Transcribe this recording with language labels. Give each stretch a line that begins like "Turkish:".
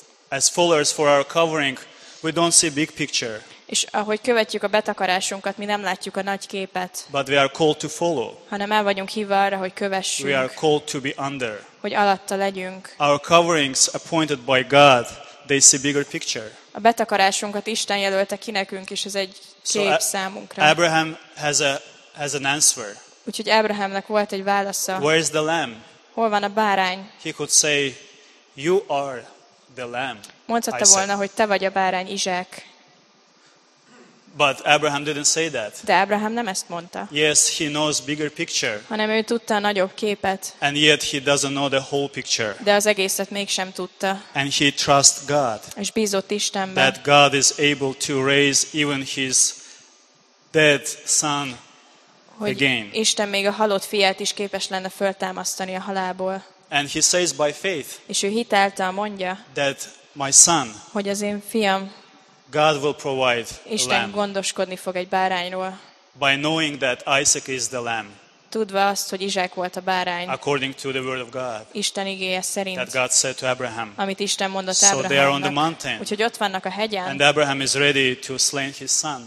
English: As followers for our covering, we don't see big picture.
Hungarian: És ahogy követjük a betakarásunkat, mi nem látjuk a nagy képet.
English: But we are called to follow.
Hungarian: Hanem el vagyunk hívva arra, hogy kövessünk.
English: We are called to be under.
Hungarian: Hogy alatta legyünk.
English: Our coverings appointed by God, they see bigger picture.
Hungarian: A betakarásunkat Isten jelölte ki nekünk, és ez egy kép számunkra.
English: Abraham has an answer.
Hungarian: Úgyhogy Ábrahámnak volt egy válasza.
English: Where is the lamb?
Hungarian: Hol van a bárány?
English: He could say, you are the lamb.
Hungarian: Mondhatta volna, hogy te vagy a bárány, Izsák.
English: But Abraham didn't say that.
Hungarian: De Abraham nem ezt mondta.
English: Yes, he knows bigger picture.
Hungarian: Hanem ő tudta a nagyobb képet.
English: And yet he doesn't know the whole picture.
Hungarian: De az egészet mégsem tudta.
English: And he trust God.
Hungarian: És bízott Istenben.
English: That God is able to raise even his dead son.
Hungarian: Hogy Isten még a halott fiát is képes lenne föltámasztani a halálból.
English: And he says by faith.
Hungarian: És ő hitáltal mondja.
English: That my son.
Hungarian: Hogy az én fiam.
English: God will provide
Hungarian: Isten
English: lamb.
Hungarian: Gondoskodni fog egy bárányról.
English: By knowing that Isaac is the lamb.
Hungarian: Tudva azt, hogy Izsák volt a bárány.
English: According to the word of God.
Hungarian: Isten igéje szerint.
English: That God said to Abraham.
Hungarian: Amit Isten mondott
English: Ábrahámnak. So they are on the mountain.
Hungarian: Úgyhogy ott vannak a hegyen.
English: And Abraham is ready to slay his son.